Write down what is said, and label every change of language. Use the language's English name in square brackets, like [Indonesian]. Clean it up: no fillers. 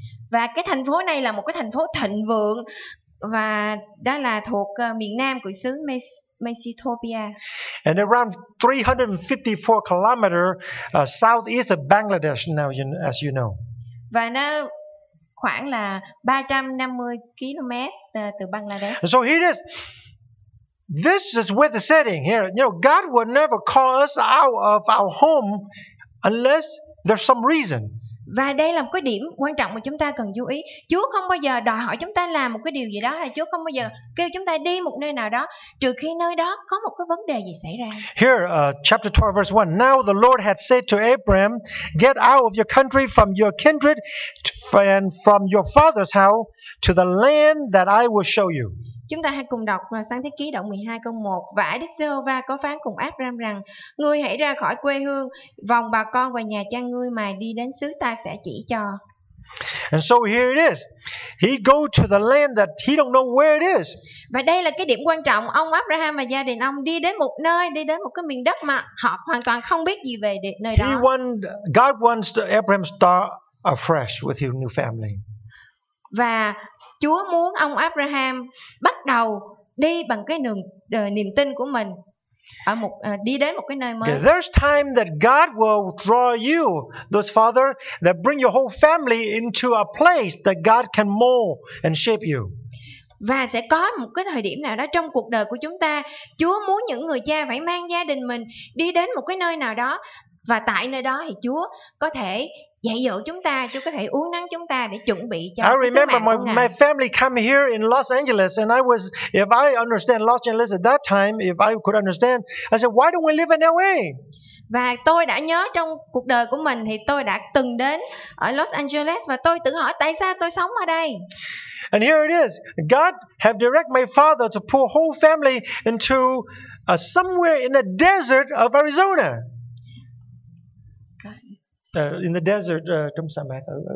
[Vietnamese] Và cái thành phố này là một cái thành phố thịnh vượng và đó là thuộc miền nam của xứ Mesopotamia. [English] And around 354 kilometers southeast of Bangladesh, now you, as you know. [Vietnamese] Và nó khoảng là 350 km từ Bangladesh. [English] So here it is. This is where the setting here. You know, God will never call us out of our home unless there's some reason. [Vietnamese] Và đây là một cái điểm quan trọng mà chúng ta cần chú ý. Chúa không bao giờ đòi hỏi chúng ta làm một cái điều gì đó, hay Chúa không bao giờ kêu chúng ta đi một nơi nào đó trừ khi nơi đó có một cái vấn đề gì xảy ra. [English] Here, chapter 12 verse 1. Now the Lord had said to Abraham, get out of your country, from your kindred and from your father's house to the land that I will show you. [Vietnamese] Chúng ta hãy cùng đọc Sáng Thế Ký đoạn 12 câu 1. Và Đức Giê-hô-va có phán cùng Áp-ram rằng: ngươi hãy ra khỏi quê hương, vòng bà con và nhà cha ngươi mà đi đến xứ ta sẽ chỉ cho. [English] And so here it is. He go to the land that he don't know where it is. [Vietnamese] Và đây là cái điểm quan trọng, ông Abraham và gia đình ông đi đến một nơi, đi đến một cái miền đất mà họ hoàn toàn không biết gì về nơi đó. [English] He want, God wants Abraham start afresh with his new family. [Vietnamese] Và Chúa muốn ông Abraham bắt đầu đi bằng cái niềm tin của mình ở một đi đến một cái nơi mới. [English] Okay, there's time that God will draw you, those father, that bring your whole family into a place that God can mold and shape you. [Vietnamese] Và sẽ có một cái thời điểm nào đó trong cuộc đời của chúng ta, Chúa muốn những người cha phải mang gia đình mình đi đến một cái nơi nào đó, và tại nơi đó thì Chúa có thể dạy dỗ chúng ta, Chúa có thể uống nắng chúng ta để chuẩn bị cho [English] I remember my, my family come here in Los Angeles, and I was, if I understand Los Angeles at that time, if I could understand, I said, why don't we live in LA? [Vietnamese] Và tôi đã nhớ trong cuộc đời của mình thì tôi đã từng đến ở Los Angeles và tôi tự hỏi tại sao tôi sống ở đây. [English] And here it is, God have direct my father to pull whole family into somewhere in the desert of Arizona. In the desert [Vietnamese] trong sa mạc ở